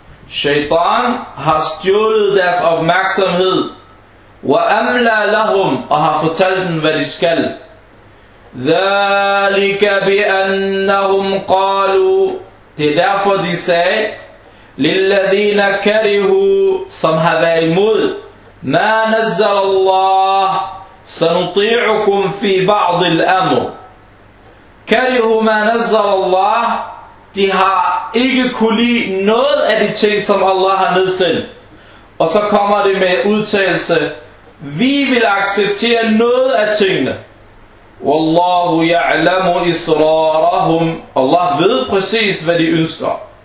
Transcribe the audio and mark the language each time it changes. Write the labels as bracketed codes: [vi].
[da] Shaytan har stjålet deres opmærksomhed. [ar] وأملى لهم, [da] og har fortalt dem hvad de skal. [ar] ذلك بأنهم قالوا. [da] Det er derfor de sagde. [ar] للذين كرهوا, [da] som har været imod. [ar] ما نزل الله, سنطيعكم في بعض الأمر. كرهوا ما نزل الله. [da] De har ikke kunne lide noget af de ting, som Allah har nedsendt. Og så kommer det med udtalelse. Vi vil acceptere noget af tingene. [ar] Wallahu ya'lamu israrahum. [da] Allah ved præcis, hvad de ønsker.